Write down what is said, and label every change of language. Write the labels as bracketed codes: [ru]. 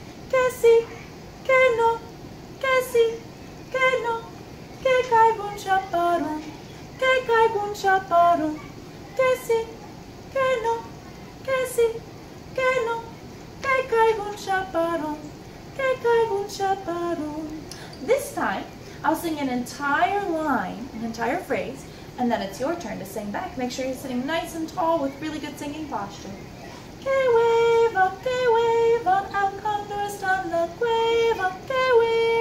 [es] Que sí, que no, que sí, que no. Que caiga un chaparrón, que caiga un chaparrón. Que sí, que no, que sí, que no. Que caiga un chaparrón, que caiga un chaparrón. [en] This time, I'll sing an entire line, an entire phrase, and then it's your turn to sing back. Make sure you're sitting nice and tall with really good singing posture. [es] Que hueva, que hueva, el cóndor está en la cueva, que hueva.